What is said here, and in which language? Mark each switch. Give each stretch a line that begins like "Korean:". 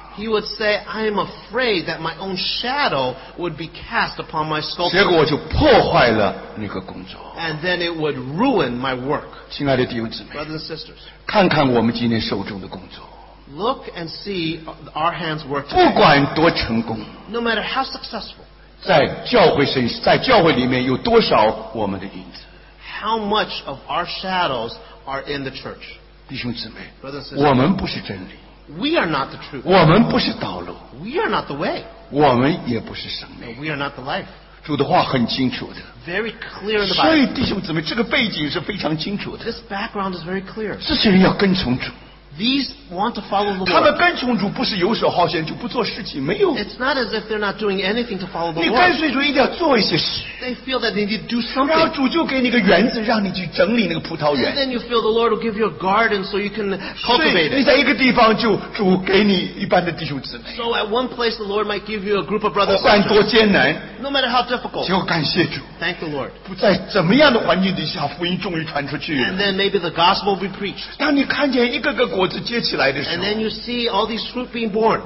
English: he would say, I am afraid that my own shadow would be cast upon my sculpture.
Chinese: 结果就破坏了那个工作,
English: and then it would ruin my work.
Chinese: 亲爱的弟兄姊妹,
English: brothers and sisters,
Chinese: 看看我们今天手中的工作,
English: look and see our hands work.
Chinese: 不管多成功,
English: no matter how successful,
Chinese: 在教会里面有多少我们的影子,
English: how much of our shadows are in the church.
Chinese: 弟兄姊妹,
English: brothers and sisters,
Chinese: 我们不是真理,
English: we are not the truth.
Chinese: 我们不是道路,
English: we are not the way.
Chinese: 我们也不是生命,
English: we are not the life.
Chinese: 主的话很清楚的,
English: very clear in the Bible.
Chinese: 所以弟兄姊妹, 这个背景是非常清楚的,
English: this background is very clear.
Chinese: 这些人要跟从主,
English: These want to follow the Lord.
Chinese: 他们跟从主不是游手好闲就不做事情，没有。
English: It's not as if they're not doing anything to follow the Lord.
Chinese: 你跟随主一定要做一些事。
English: They feel that they need to do something.
Chinese: 然后主就给你个园子，让你去整理那个葡萄园。
English: And then you feel the Lord will give you a garden so you can cultivate it.
Chinese: 你在一个地方就主给你一般的弟兄姊妹。
English: So at one place the Lord might give you a group of brothers.
Chinese: 不管多艰难。
English: No matter how difficult.
Chinese: 就感谢主。
English: Thank the Lord.
Chinese: 不在怎么样的环境底下，福音终于传出去了。
English: And then maybe the gospel will be preached.
Chinese: 当你看见一个个
English: And then you see all these fruit being born.